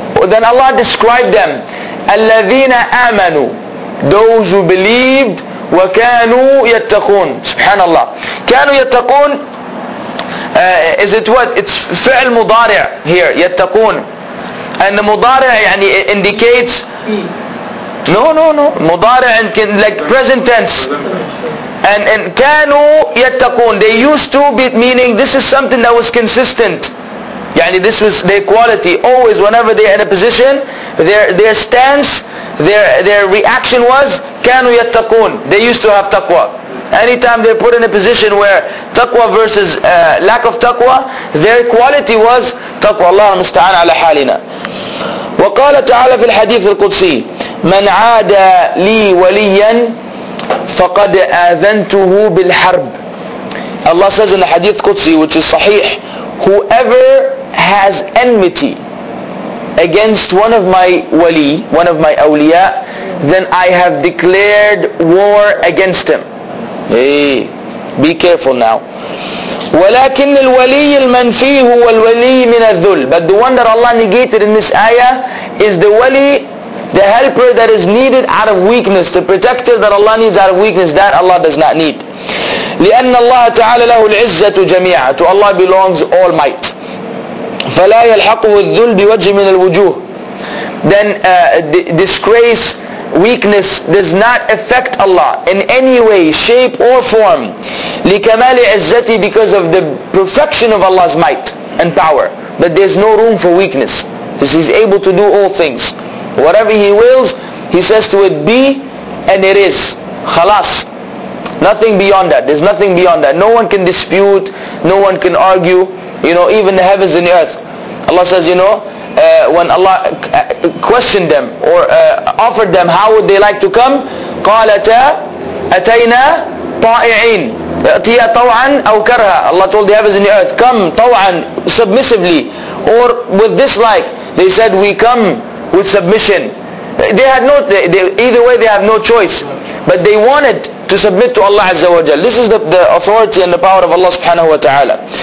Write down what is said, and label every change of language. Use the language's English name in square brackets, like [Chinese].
[English] Then Allah described them, [Arabic] الَّذِينَ آمَنُوا, [English] those who believed, [Arabic] وَكَانُوا يَتَّقُونَ. [English] Subhanallah. [Arabic] كَانُوا يَتَّقُونَ, [English] is it what? It's [Arabic] فعل مضارع [English] here. [Arabic] يَتَّقُونَ. [English] And the [Arabic] مضارع يعني [English] indicates, no. مضارع like present tense. And [Arabic] كَانُوا يَتَّقُونَ. [English] They used to be, meaning this is something that was consistent. [Arabic] يعني [English] this was their quality. Always, whenever they're in a position, their stance, Their reaction was [Arabic] كانوا يتقون. [English] They used to have taqwa. Anytime they're put in a position where taqwa versus lack of taqwa, their quality was taqwa. [Arabic] الله المستعان على حالنا. وقال تعالى في الحديث القدسي من عادى لي وليا فقد آذنته بالحرب. [English] Allah says in the hadith القدسي, which is صحيح, whoever has enmity against one of my wali, one of my awliya, then I have declared war against him. Hey, Be careful now. [Arabic] ولكن الولي المنفي هو الولي من الذل. [English] But the one that Allah negated in this ayah is the wali, the helper that is needed out of weakness, the protector that Allah needs out of weakness, that Allah does not need. [Arabic] لأن الله تعالى له العزة جميعا. [English] To Allah belongs all might. [Arabic] فلا يلحقه الذل بوجه من الوجوه. [English] Then disgrace, weakness does not affect Allah in any way, shape or form. [Arabic] لِكَمَالِ عِزَّتِ, [English] because of the perfection of Allah's might and power. That there's no room for weakness. Because He's able to do all things. Whatever He wills, He says to it, be, and it is. [Arabic] خلاص. [English] Nothing beyond that. There's nothing beyond that. No one can dispute. No one can argue. You know, even the heavens and the earth. Allah says, you know, when Allah questioned them or offered them, how would they like to come? [Arabic] قَالَتَا أَتَيْنَا طَائِعِينَ أَتِيَا طَوْعًا أَوْ كَرْهًا. [English] Allah told the heavens and the earth, come طَوْعًا, submissively or with dislike. They said, we come with submission. They had no, either way they have no choice. But they wanted to submit to Allah Azza wa Jal. This is the authority and the power of Allah Subhanahu wa Ta'ala.